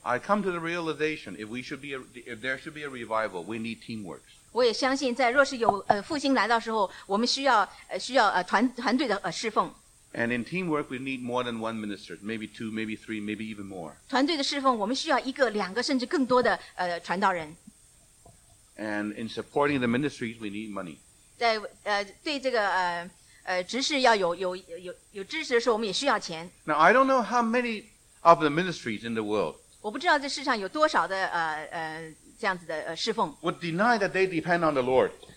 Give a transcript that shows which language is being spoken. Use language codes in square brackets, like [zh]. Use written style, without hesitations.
[en] I come to the realization if there should be a revival, we need teamwork. [zh] 我也相信在若是有复兴来到时候我们需要团队的侍奉。 [en] And in teamwork, we need more than one minister, maybe two, maybe three, maybe even more. [zh] 团队的侍奉，我们需要一个、两个，甚至更多的传道人。 [en] And in supporting the ministries, we need money. [zh] 在对这个执事要有支持的时候，我们也需要钱。 [en] Now I don't know how many of the ministries in the world. [zh] 我不知道这世上有多少的这样子的侍奉。 [en] Would deny that they depend on the Lord.